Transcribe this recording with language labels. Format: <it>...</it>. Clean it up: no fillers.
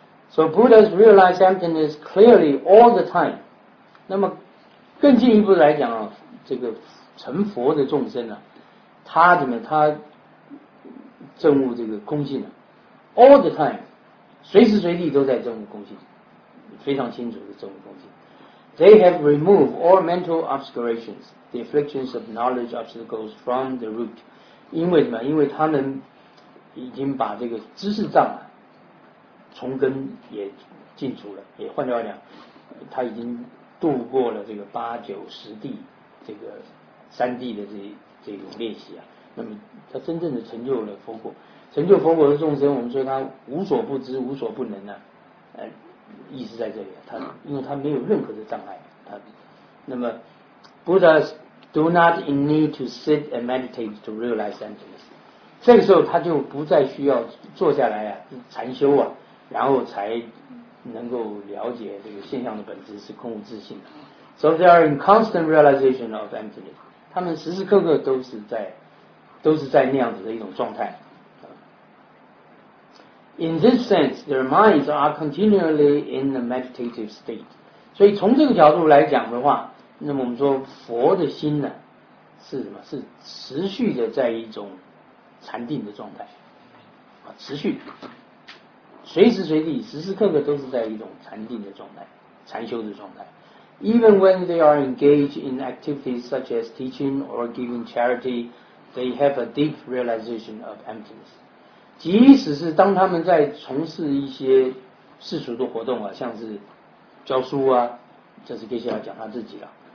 <en>So Buddhas realize emptiness clearly all the time。</en> <zh>那么更进一步来讲啊，这个成佛的众生呢、啊，他怎么他证悟这个空性呢、啊、？</zh> <en>All the time，</en> <zh>随时随地都在证悟空性，非常清楚的证悟空性。</zh> <en>They have removed all mental obscurations, the afflictions of knowledge obstacles from the root。</en> <zh>因为什么？因为他们已经把这个知识障碍从根也净除了，也换句话讲，他已经度过了这个八九十地这个。三地的这种练习啊，那么他真正的成就了佛果，成就佛果的众生，我们说他无所不知、无所不能呢、啊，意思在这里、啊，他因为他没有任何的障碍，他那么</zh> <en>Buddhas do not need to sit and meditate to realize emptiness，</en> <zh>这个时候他就不再需要坐下来啊禅修啊，然后才能够了解这个现象的本质是空无自性的 ，</zh> <en>so they are in constant realization of emptiness。</en> <zh>他们时时刻刻都是在那样子的一种状态。</zh> <en>In this sense, their minds are continually in a meditative state.</en> <zh>所以从这个角度来讲的话，那么我们说佛的心呢，是什么？是持续的在一种禅定的状态，持续，随时随地、时时刻刻都是在一种禅定的状态、禅修的状态。</zh> <en>Even when they are engaged in activities such as teaching or giving charity, they have a deep realization of emptiness.</en> <zh>即使是当他们在从事一些世俗的活动啊，像是教书啊，这是接下来讲他自己了。</zh>